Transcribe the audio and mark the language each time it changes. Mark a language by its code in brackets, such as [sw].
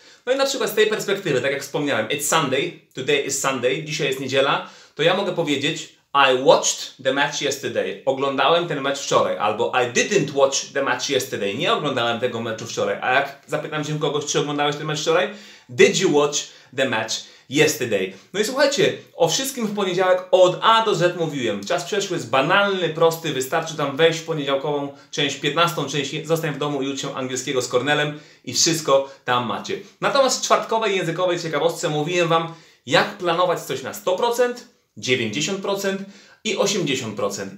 [pl] No i na przykład z tej perspektywy, tak jak wspomniałem, [en] it's Sunday, today is Sunday, [pl] dzisiaj jest niedziela, to ja mogę powiedzieć [en] I watched the match yesterday, [pl] oglądałem ten mecz wczoraj, albo [en] I didn't watch the match yesterday, [pl] nie oglądałem tego meczu wczoraj. A jak zapytam się kogoś, czy oglądałeś ten mecz wczoraj? [en] Did you watch the match yesterday? [pl] No i słuchajcie, o wszystkim w poniedziałek od A do Z mówiłem. Czas przeszły jest banalny, prosty, wystarczy tam wejść w poniedziałkową część, 15 część, zostań w domu i ucz się angielskiego z Kornelem i wszystko tam macie. Natomiast w czwartkowej językowej ciekawostce mówiłem Wam, jak planować coś na 100%, 90% i 80%.